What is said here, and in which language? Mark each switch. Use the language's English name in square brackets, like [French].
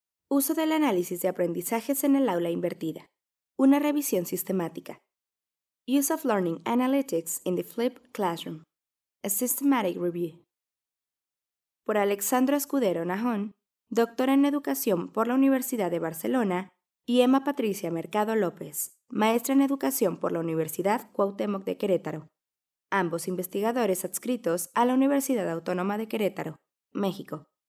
[Spanish] Uso del análisis de aprendizajes en el aula invertida. Una revisión sistemática. [English] Use of Learning Analytics in the Flipped Classroom. A Systematic Review. [Spanish] Por Alexandra Escudero Najón, doctora en Educación por la Universidad de Barcelona, y Emma Patricia Mercado López, maestra en Educación por la Universidad Cuauhtémoc de Querétaro. Ambos investigadores adscritos a la Universidad Autónoma de Querétaro, México.